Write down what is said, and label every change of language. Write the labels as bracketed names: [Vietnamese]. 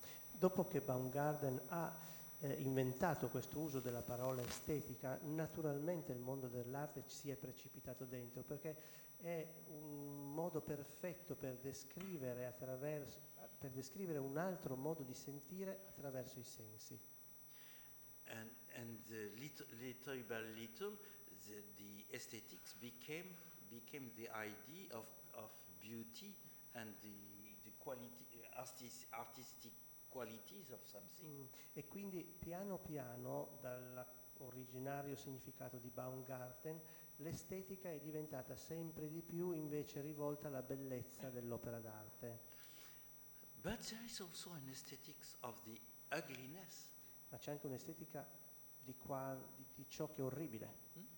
[Italian] Dopo che Baumgarten ha inventato questo uso della parola estetica, naturalmente il mondo dell'arte ci si è precipitato dentro, perché è un modo perfetto per descrivere un altro modo di sentire attraverso i sensi. [English] And little by little the aesthetics became the idea of beauty and the quality artistic qualities of something. [Italian] E quindi piano piano dall'originario significato di Baumgarten l'estetica è diventata sempre di più invece rivolta alla bellezza dell'opera d'arte. [English] But there is also an aesthetics of the ugliness. [Italian] Ma c'è anche un'estetica di ciò che è orribile.